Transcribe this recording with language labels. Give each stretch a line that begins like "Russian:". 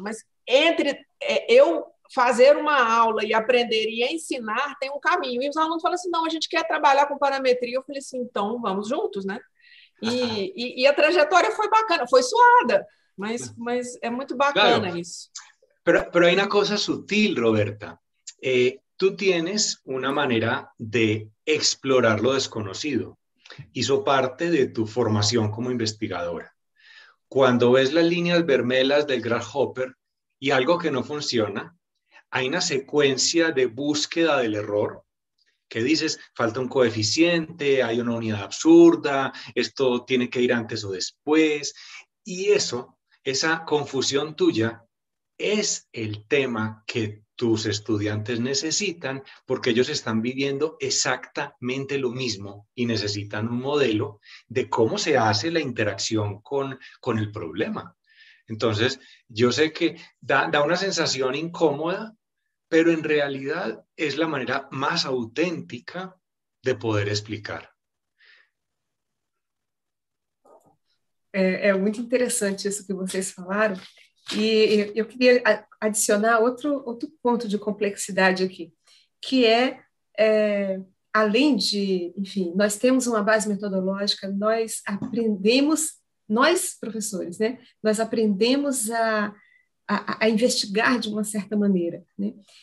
Portuguese: Mas entre eu fazer uma aula e aprender e ensinar, tem um caminho. E os alunos falam assim, não, a gente quer trabalhar com parametria. Eu falei assim, então vamos juntos, né? E a trajetória foi bacana, foi suada, mas é muito bacana, claro. Isso.
Spanish: Pero hay una cosa sutil, Roberta. Tú tienes una manera de explorar lo desconocido. Hizo parte de tu formación como investigadora. Cuando ves las líneas vermelhas del grasshopper y algo que no funciona, hay una secuencia de búsqueda del error que dices, falta un coeficiente, hay una unidad absurda, esto tiene que ir antes o después. Y eso, esa confusión tuya, es el tema que tus estudiantes necesitan, porque ellos están viviendo exactamente lo mismo y necesitan un modelo de cómo se hace la interacción con el problema. Entonces, yo sé que da una sensación incómoda, pero en realidad es la manera más auténtica de poder explicar. Es muy interesante eso que ustedes falaron.
Portuguese: E eu queria adicionar outro ponto de complexidade aqui, que além de, enfim, nós temos uma base metodológica, nós aprendemos, nós professores, né? Nós aprendemos a investigar de uma certa maneira, né?